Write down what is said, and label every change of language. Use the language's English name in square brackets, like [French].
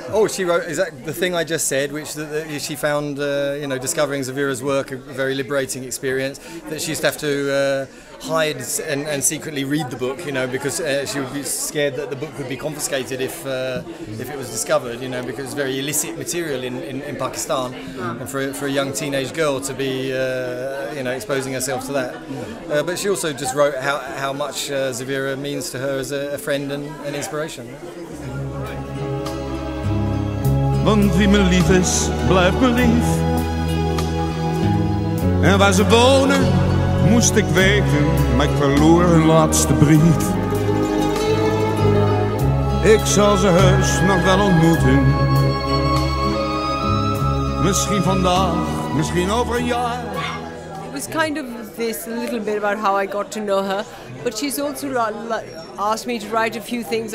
[English] She wrote exactly the thing I just said, which she found, discovering Zavira's work a very liberating experience, that she used to have to hide and secretly read the book, because she would be scared that the book would be confiscated if it was discovered, because it's very illicit material in Pakistan, and for a young teenage girl to be, exposing herself to that. But she also just wrote how much Zavira means to her as a friend and an inspiration. [Dutch] Want wie me lief is, blijft me lief. En waar ze wonen, moest ik weten, maar ik verloor hun laatste brief. Ik zal ze heus nog wel ontmoeten. Misschien vandaag, misschien over een jaar. [English] It was kind of this, a little bit about how I got to know her. But she's also asked me to write a few things.